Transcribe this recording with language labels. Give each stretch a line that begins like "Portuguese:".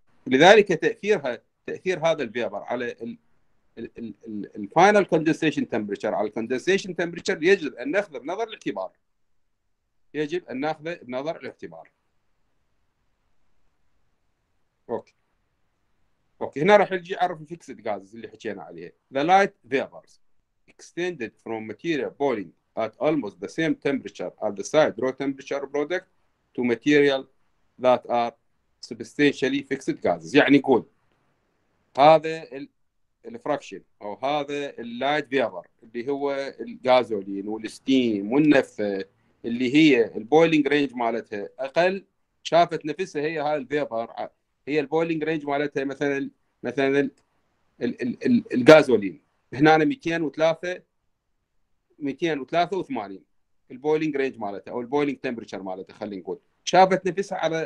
Arabic: لذلك تأثير هذا الفيبر على ال final condensation temperature، على condensation temperature، يجب أن نأخذ بنظر الاعتبار. يجب أن نأخذ بنظر الاعتبار. أوكي. اوكي هنا راح نجي اعرف الفيكسد جازز اللي حكينا عليه.
English: The light vapors extended from material boiling at almost the same temperature as the side draw temperature product to material that are substantially fixed gases.
Arabic: يعني يقول هذا الفراكشن او هذا اللايت فيبر اللي هو الجازولين والستيم والنفه اللي هي البويلنج رينج مالتها اقل, شافت نفسها هي هاي الفيبر هي البويلنج رينج مالتها مثلا الجازولين هنا 203 283 البويلنج رينج مالتها او البويلنج تمبرتشر مالتها, خلينا نقول شافت نفسها